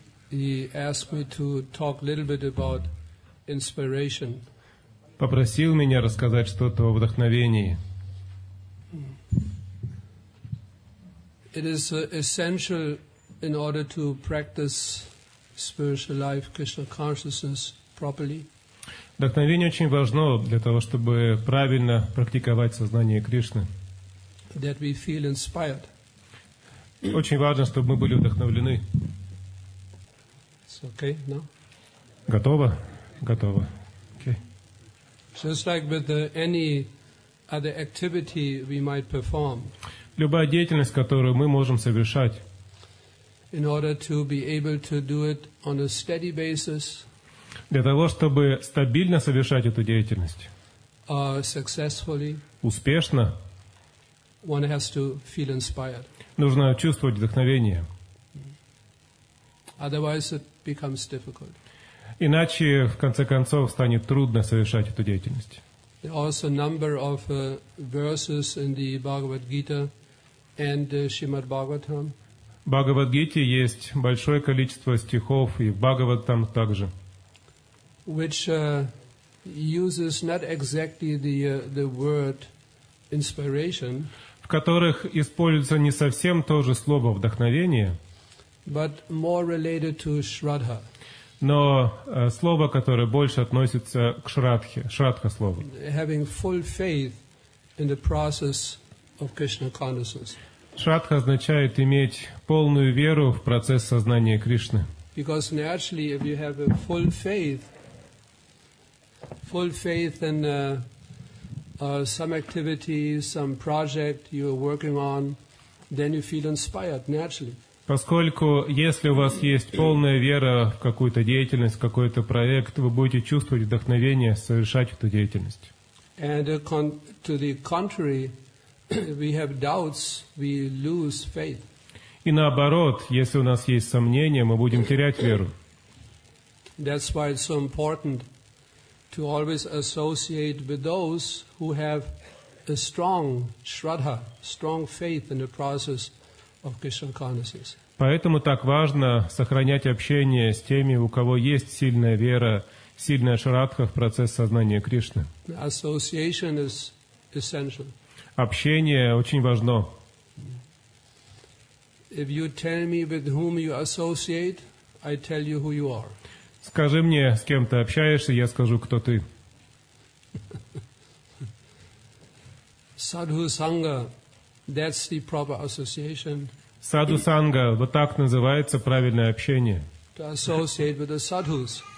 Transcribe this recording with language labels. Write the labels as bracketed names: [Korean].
[English] He asked me to talk a little bit about inspiration. [Russian] Попросил меня рассказать что-то о вдохновении. [English] It is essential in order to practice spiritual life, Krishna consciousness properly. [Russian] Вдохновение очень важно для того, чтобы правильно практиковать сознание Кришны. [English] That we feel inspired. [Russian] Очень важно, чтобы мы были вдохновлены. [English] It's okay, no? [Russian] Готово? Готово. [English] Okay. Just like with any other activity we might perform. [Russian] Любая деятельность, которую мы можем совершать. [English] In order to be able to do it on a steady basis. [Russian] Для того, чтобы стабильно совершать эту деятельность. [English] Successfully. [Russian] Успешно. [English] One has to feel inspired. [Russian] Нужно чувствовать вдохновение. [English] Otherwise it becomes difficult. [Russian] Иначе, в конце концов, станет трудно совершать эту деятельность. [English] There are also a number of verses in the Bhagavad Gita and Shrimad Bhagavatam. [Russian] В Бхагавад-гите есть большое количество стихов, и в Бхагаватам также. [English] Which uses not exactly the word inspiration. [Russian] В которых используется не совсем то же слово «вдохновение», [English] but more related to Shraddha. [Russian] Но слово, которое больше относится к Шрадхе, Шрадха-слову. [English] Having full faith in the process of Krishna consciousness. [Russian] Шрадха означает иметь полную веру в процесс сознания Кришны. [English] Because naturally, if you have a full faith in some activity, some project you are working on, then you feel inspired naturally. [Russian] Поскольку если у вас есть полная вера в какую-то деятельность, какой-то проект, вы будете чувствовать вдохновение совершать эту деятельность. [English] And to the contrary, we have doubts, we lose faith. [Russian] И наоборот, если у нас есть сомнения, мы будем терять веру. [English] That's why it's so important to always associate with those who have a strong shraddha, strong faith in the process of Krishna consciousness. [Russian] Поэтому так важно сохранять общение с теми, у кого есть сильная вера, сильная шрадха в процесс сознания Кришны. [English] Association is essential. [Russian] Общение очень важно. [English] If you tell me with whom you associate, I tell you who you are. [Russian] Скажи мне, с кем ты общаешься, я скажу, кто ты. [English] Sadhu Sangha, that's the proper association. [Russian] Sadhu Sangha, вот так называется правильное общение. [English] To associate with the sadhus.